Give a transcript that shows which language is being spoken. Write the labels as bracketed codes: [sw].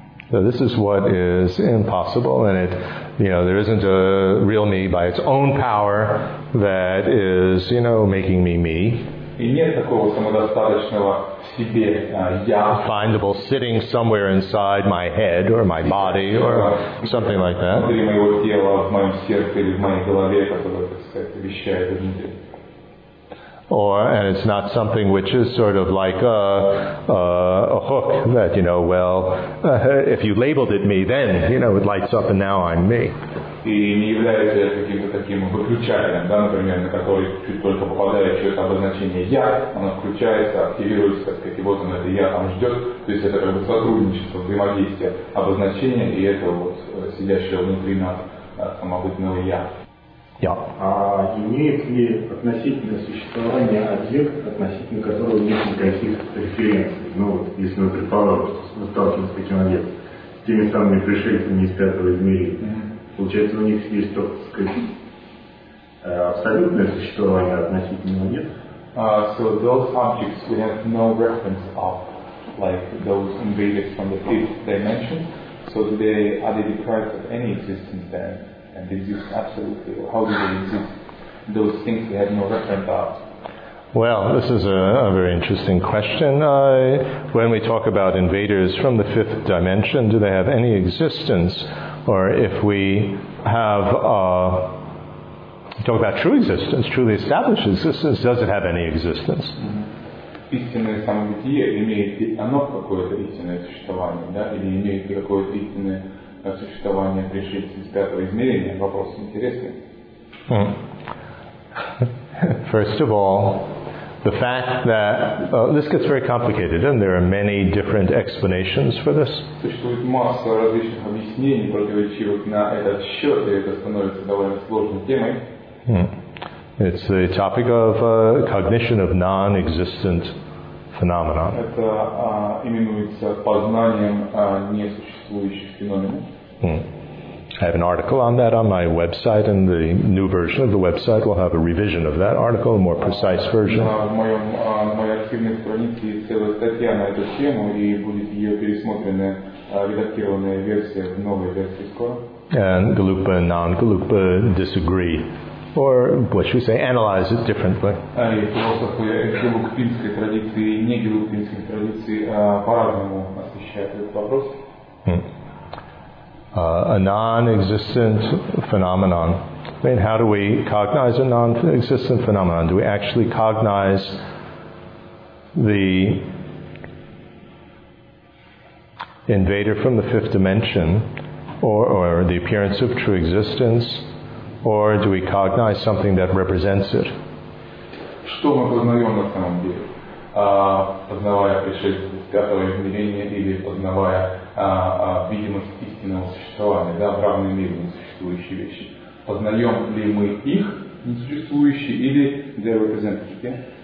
[en] So this is what is impossible, and it, you know, there isn't a real me by its own power that is, you know, making me me. [ru] И нет такого самодостаточного себе я. [en] Findable sitting somewhere inside my head or my body or something like that. [ru] Внутри моего тела, в моем сердце или в моей голове, которое, так сказать, вещает внутри. [en] And it's not something which is sort of like a hook that, you know, well, if you labeled it me, then, you know, it lights up and now I'm me. [ru] И не является каким-то таким выключателем, да, например, на который чуть только попадает человек обозначение «я», оно включается, активируется, так сказать, и вот оно, это «я» там ждет. То есть это как бы сотрудничество, взаимодействие обозначения и этого вот сидящего внутри нас самобытного «я». [en] Yeah. [ru] А имеет ли относительное существование объект, относительно которого нет никаких референций? Ну, если мы предположим, сталкиваемся с таким объектом, с теми самыми пришельцами из пятого измерения, получается, у них есть, так сказать, абсолютное существование относительного нет? [en] So those objects we have no reference of, like those invaded from the fifth dimension. So they are they deprived of any existence then? And they exist absolutely. How do they exist? Those things we have no reference of. Well, this is a very interesting question. When we talk about invaders from the fifth dimension, do they have any existence? Or if we have talk about true existence, truly established existence, does it have any existence? [ru] Истинное самобытие имеет ли оно какое-то истинное существование, да? Или имеет ли какое-то истинное существование при жизни с пятого измерения? Вопрос интересный. [en] First of all, the fact that this gets very complicated, and there are many different explanations for this. [ru] Существует масса различных объяснений противоречивых на этот счет, и это становится довольно сложной темой. [en] It's the topic of cognition of non-existent phenomena. [ru] Это именуется познанием несуществующих феноменов. [en] I have an article on that on my website, and the new version of the website will have a revision of that article, a more precise version. [ru] На моей архивной странице целая статья на эту тему, и будет ее пересмотренная, редактированная версия в новой версии скоро. [en] And Galupa and non-Galupa disagree, or what should we say, analyze it differently. [ru] И философы галупинской традиции и негалупинской традиции по-разному освещают этот вопрос. [en] A non-existent phenomenon. I mean, how do we cognize a non-existent phenomenon? Do we actually cognize the invader from the fifth dimension, or the appearance of true existence, or do we cognize something that represents it? [ru] Что мы познаем на самом деле? Познавая пришельцев из пятого измерения или познавая видимость истинного существования, да, в равной мере несуществующие вещи. Познаем ли мы их, несуществующие, или [en] their representative?